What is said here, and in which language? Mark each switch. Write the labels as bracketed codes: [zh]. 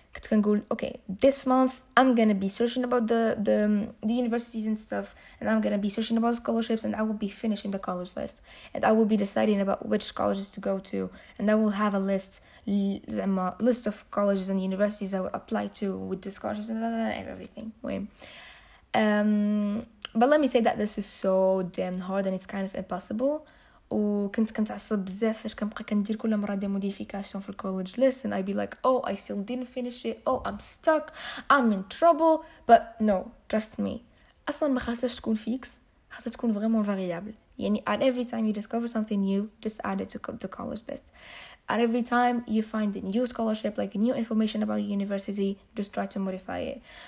[en] Okay, this month I'm gonna be searching about the universities and stuff, and I'm gonna be searching about scholarships, and I will be finishing the college list, and I will be deciding about which colleges to go to, and I will have a list of colleges and universities I will apply to with the scholarships and everything. But let me say that this is so damn hard and it's kind of impossible. [ar] وكنت كنتعصب بزاف فاش كنبقى كندير كل مره دي موديفيكاسيون في الكوليدج ليست [en] and I'd be like, oh, I still didn't finish it, oh, I'm stuck, I'm in trouble. But no, trust me, [ar] اصلا ما خاصهاش تكون فيكس, خاصها تكون فريمون فاريابل. [en] يعني at every time you discover something new, just add it to the college list. At every time you find a new scholarship, like new information about university, just try to modify it.